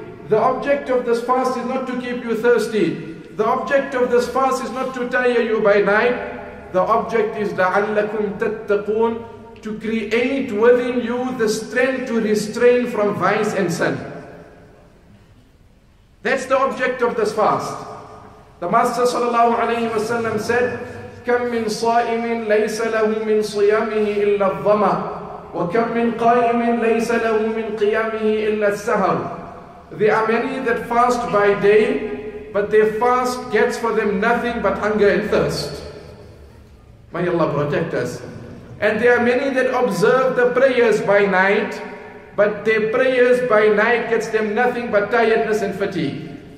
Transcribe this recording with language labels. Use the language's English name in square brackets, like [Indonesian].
[English] The object of this fast is not to keep you thirsty. The object of this fast is not to tire you by night. The object is [Arabic] لَعَلَّكُمْ تَتَّقُونَ, [English] to create within you the strength to restrain from vice and sin. That's the object of this fast. The Master sallallahu alayhi wa sallam said, [Arabic] كَمْ مِنْ صَائِمٍ لَيْسَ لَهُ مِنْ صِيَامِهِ إِلَّا الظَّمَى وَكَمْ مِنْ قَائِمٍ لَيْسَ لَهُ مِنْ قِيَامِهِ إِلَّا السَّهَرُ. [English] There are many that fast by day, but their fast gets for them nothing but hunger and thirst. May Allah protect us. And there are many that observe the prayers by night, but their prayers by night gets them nothing but tiredness and fatigue.